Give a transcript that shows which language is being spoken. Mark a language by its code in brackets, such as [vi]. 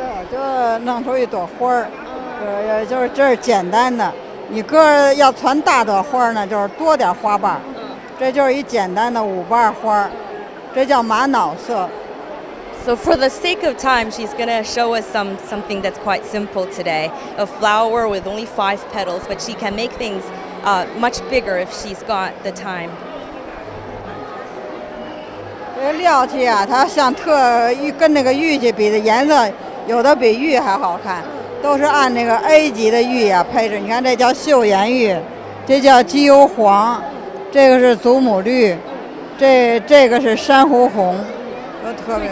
[zh] 就弄出一朵花儿，就是这是简单的。你搁要攒大朵花呢，就是多点花瓣。这就是一简单的五瓣花，这叫玛瑙色。 [en] So for the sake of time, she's gonna show us something that's quite simple today. A flower with only 5 petals, but she can make things much bigger if she's got the time. [zh] 这料器啊，它像特跟那个玉器比的颜色。有的比玉还好看，都是按那个 A 级的玉啊配置。你看这叫岫岩玉，这叫鸡油黄，这个是祖母绿，这个是珊瑚红，都特别。